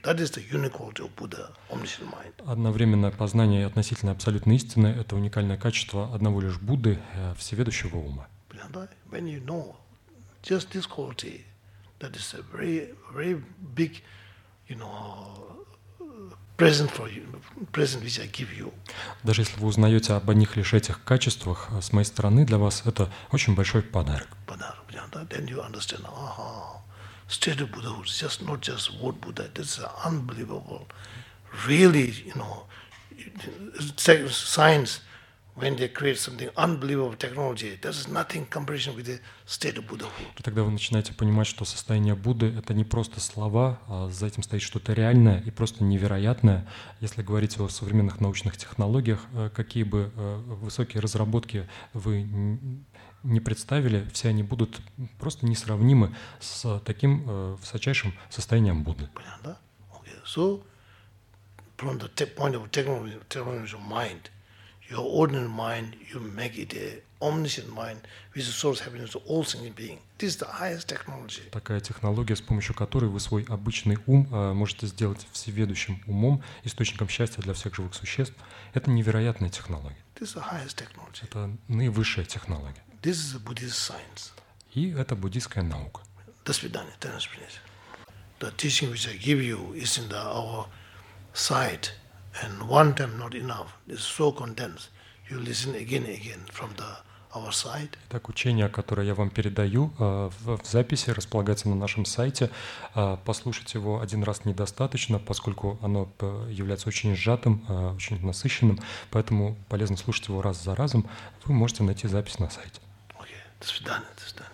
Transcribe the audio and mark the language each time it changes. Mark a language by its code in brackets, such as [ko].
[en] That is the unique quality of Buddha, omniscient mind. [ru] Одновременное познание и относительное абсолютное истины – это уникальное качество одного лишь Будды, всеведущего ума. Понятно? [en] When you know just this quality, that is a very, very big, you know, present for you, present which I give you. [ru] Даже если вы узнаете об одних лишь этих качествах, с моей стороны для вас это очень большой подарок. Подарок, да, [en] then you understand, [ru] ага, [en] state of Buddhahood, just not just word Buddha, this is unbelievable. Really, you know, science, when they create something unbelievable technology, that is nothing comparison with the state of Buddhahood. [ru] Тогда вы начинаете понимать, что состояние Будды — это не просто слова, а за этим стоит что-то реальное и просто невероятное. Если говорить о современных научных технологиях, какие бы высокие разработки вы не представили, все они будут просто несравнимы с таким высочайшим состоянием Будды. Понятно? [en] Okay. So, from the point of technology of mind, your ordinary mind, you make it a omniscient mind, which is the source of happiness to all sentient beings. This is the highest technology. [ru] Такая технология, с помощью которой вы свой обычный ум можете сделать всеведущим умом, источником счастья для всех живых существ, это невероятная технология. [en] This is the highest technology. [ru] Это наивысшая технология. [en] This is a Buddhist science. [ru] И это буддийская наука. До свидания. До свидания. [en] The teaching which I give you is in the, our sight, and one time not enough. It's so condensed. You listen again and again from the our sight. [ru] Итак, учение, которое я вам передаю в записи, располагается на нашем сайте. Послушать его один раз недостаточно, поскольку оно является очень сжатым, очень насыщенным, поэтому полезно слушать его раз за разом. Вы можете найти запись на сайте. [en] Okay. [ru] До свидания. До свидания.